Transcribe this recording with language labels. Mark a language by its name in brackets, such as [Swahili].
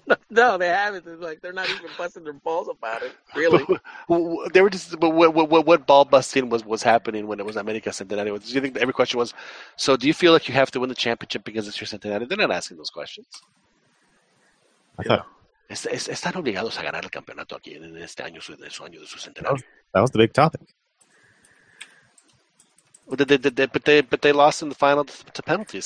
[English] No, they haven't. It's like they're not even busting their balls about it. Really, they were just. But what ball busting was happening when it was America Centenario? Do you think every question was? So, do you feel like you have to win the championship because it's your Centenario? They're not asking those questions. [Spanish] Están obligados a ganar el campeonato aquí en este año de su año de su [English] centenario. That was the big topic. But they lost in the final to penalties.